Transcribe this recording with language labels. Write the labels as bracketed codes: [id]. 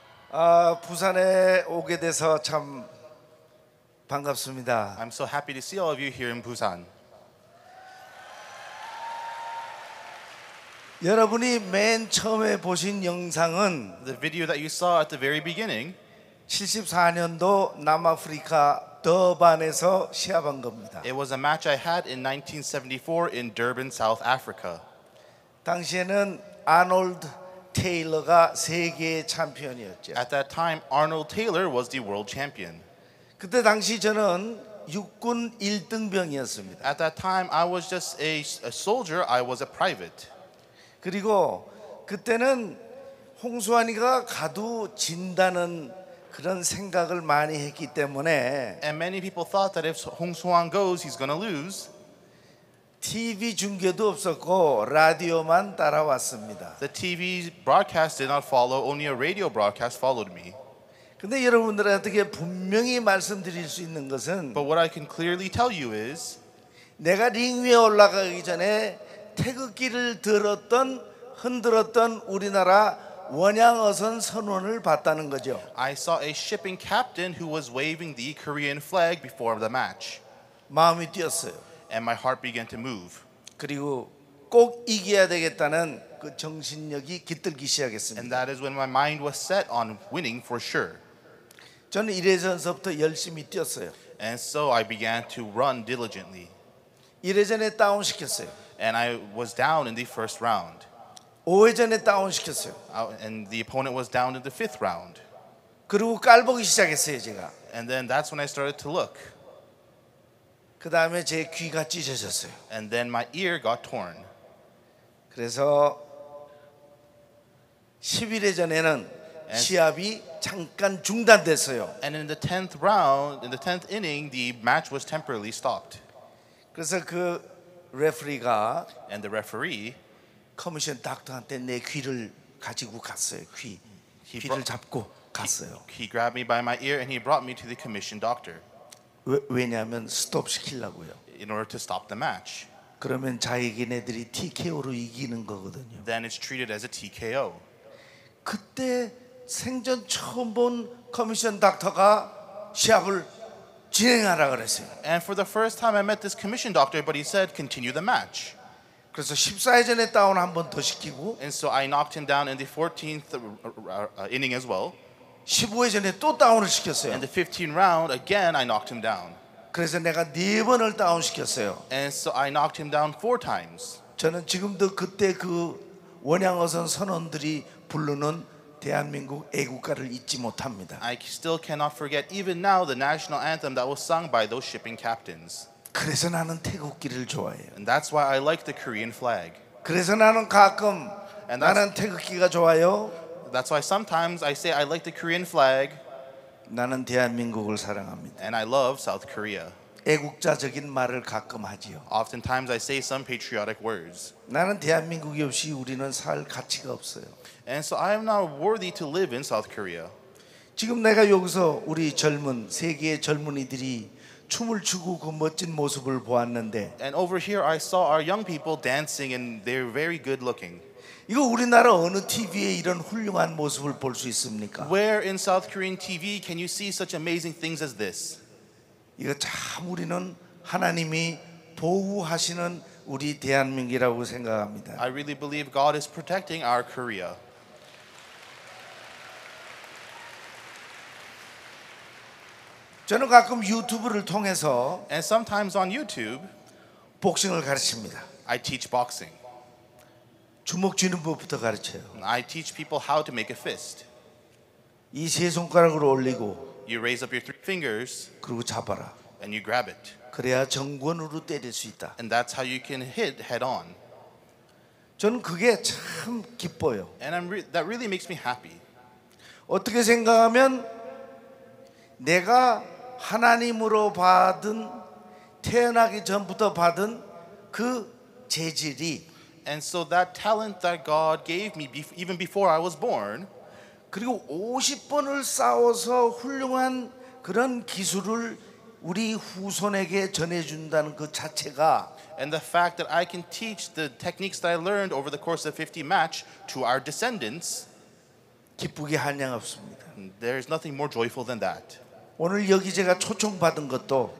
[ko] 아, 부산에 오게 돼서 참 반갑습니다. [en] I'm so happy to see all of you here in Busan. [ko] 여러분이 맨 처음에 보신 영상은 [en] The video that you saw at the very beginning [ko] 74년도 남아프리카 더반에서 시합한 겁니다. [en] It was a match I had in 1974 in Durban, South Africa. [ko] 당시에는 아놀드 테일러가 세계 챔피언이었죠. [en] At that time, Arnold Taylor was the world champion. [ko] 그때 당시 저는 육군 1등병이었습니다. [en] At that time, I was just a soldier. I was a private. [ko] 그리고 그때는 홍수환이가 가도 진다는 그런 생각을 많이 했기 때문에 [en] And many people thought that if Hong Soo-hwan goes, he's going to lose. [ko] TV 중계도 없었고 라디오만 따라왔습니다. [en] The TV broadcast did not follow. Only a radio broadcast followed me. [ko] 근데 여러분들한테 분명히 말씀드릴 수 있는 것은 [en] But what I can clearly tell you is [ko] 내가 링 위에 올라가기 전에 태극기를 들었던 흔들었던 우리나라 원양어선 선원을 봤다는 거죠. [en] I saw a shipping captain who was waving the Korean flag before the match. [ko] 마음이 뛰었어요. [en] And my heart began to move. [ko] 그리고 꼭 이겨야 되겠다는 그 정신력이 깃들기 시작했습니다. [en] And that is when my mind was set on winning for sure. [ko] 저는 1회전서부터 열심히 뛰었어요. [en] And so I began to run diligently. [ko] 1회전에 다운시켰어요. [en] And I was down in the first round. [ko] 5회전에 다운시켰어요. [en] And the opponent was down in the fifth round. [ko] 그리고 깔보기 시작했어요, 제가. [en] And then that's when I started to look. [ko] 그 다음에 제 귀가 찢어졌어요. [en] And then my ear got torn. [ko] 그래서 11회전에는 시합이 잠깐 중단됐어요. [en] And in the 10th round, in the 10th inning, the match was temporarily stopped. [ko] 그래서 그 레프리가 [en] And the referee [ko] 커미션 닥터한테 내 귀를 가지고 갔어요. 귀. 귀를 잡고 갔어요. [en] He grabbed me by my ear and he brought me to the commission doctor. [ko] 왜냐면 스톱 시키려고요. [en] In order to stop the match. [ko] 그러면 자기네들이 TKO로 이기는 거거든요. [en] Then it's treated as a TKO. [ko] 그때 생전 처음 본 커미션 닥터가 시합을 진행하라 그랬어요. [en] And for the first time I met this commission doctor but he said continue the match. [ko] 그래서 14회전에 다운 한 번 더 시키고 [en] And so I knocked him down in the 14th inning as well. [ko] 15회전에 또 다운을 시켰어요. [en] And the 15th round again I knocked him down. [ko] 그래서 내가 네 번을 다운 시켰어요. [en] And so I knocked him down 4 times. [ko] 저는 지금도 그때 그 원양어선 선원들이 부르는 대한민국 애국가를 잊지 못합니다. [en] I still cannot forget even now the national anthem that was sung by those shipping captains. [ko] 그래서 나는 태극기를 좋아해요. [en] And that's why I like the Korean flag. [ko] 그래서 나는 가끔 나는 태극기가 좋아요. [en] That's why sometimes I say I like the Korean flag. [ko] 나는 대한민국을 사랑합니다. [en] And I love South Korea. [ko] 애국자적인 말을 가끔 하지요. [en] Oftentimes I say some patriotic words. [ko] 나는 대한민국이 없이 우리는 살 가치가 없어요. [en] And so I am not worthy to live in South Korea. [ko] 지금 내가 여기서 우리 젊은 세계의 젊은이들이 춤을 추고 그 멋진 모습을 보았는데 [en] And over here I saw our young people dancing and they're very good looking. [ko] 이거 우리나라 어느 TV에 이런 훌륭한 모습을 볼 수 있습니까? [en] Where in South Korean TV can you see such amazing things as this? [ko] 이거 참 우리는 하나님이 보호하시는 우리 대한민국이라고 생각합니다. [en] I really believe God is protecting our Korea. [ko] 저는 가끔 유튜브를 통해서 [en] And sometimes on YouTube [ko] 복싱을 가르칩니다. [en] I teach boxing. [ko] 주먹 쥐는 법부터 가르쳐요. [en] I teach people how to make a fist. [ko] 이 세 손가락으로 올리고 [en] You raise up your three fingers. [ko] 그리고 잡아라. [en] And you grab it. [ko] 그래야 정권으로 때릴 수 있다. [en] And that's how you can hit head on. [ko] 저는 그게 참 기뻐요. [en] And that really makes me happy. [ko] 어떻게 생각하면 내가 하나님으로 받은 태어나기 전부터 받은 그 재질이 [en] And so that talent that God gave me even before I was born [ko] 그리고 50번을 싸워서 훌륭한 그런 기술을 우리 후손에게 전해준다는 그 자체가 [en] and the fact that I can teach the techniques that I learned over the course of 50 match to our descendants, [ko] 기쁘게 할 양 없습니다. [en] There is nothing more joyful than that. [ko] 오늘 여기 제가 초청받은 것도